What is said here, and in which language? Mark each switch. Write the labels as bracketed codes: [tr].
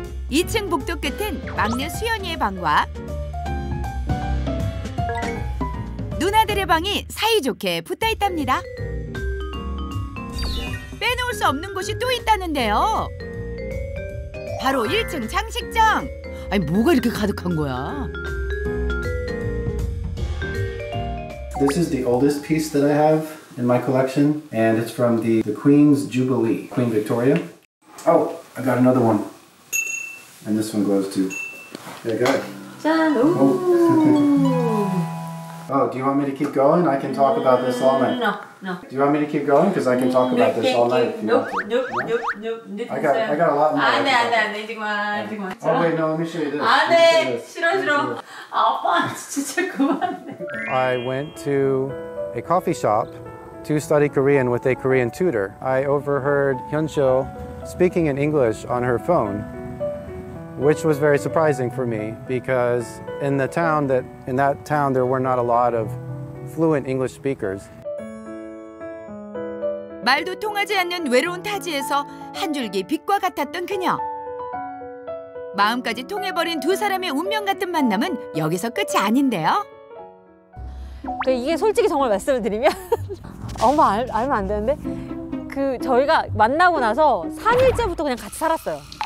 [ko] 2층 복도 끝은 막내 수연이의 방과 누나들의 방이 사이좋게 붙어있답니다. 빼놓을 수 없는 곳이 또 있다는데요. 바로 1층 장식장. 아니 뭐가 이렇게 가득한 거야? [en] This is the oldest piece that I have in my collection and it's from the Queen's Jubilee, Queen Victoria. Oh, I got another one. And this one goes to there you go. [ko] 짠. 오. [en] Oh, do you want me to keep going? I can talk about this all night. No. Do you want me to keep going? Because I can talk about this all night. Nope. I got a lot more. [ko] 안돼 안돼 안돼 지금 [en] Oh wait, no. Let me show you this. [ko] 안돼 싫어 싫어. 아빠 진짜 그만해. [en] I went to a coffee shop to study Korean with a Korean tutor. I overheard Hyunsil speaking in English on her phone, which was very surprising for me because. In that town, there were not a lot of fluent English speakers. [ko] 말도 통하지 않는 외로운 타지에서 한 줄기 빛과 같았던 그녀. 마음까지 통해버린 두 사람의 운명 같은 만남은 여기서 끝이 아닌데요. 이게 솔직히 정말 말씀을 드리면 엄마 알면 안 되는데 그 저희가 만나고 나서 3일째부터 그냥 같이 살았어요.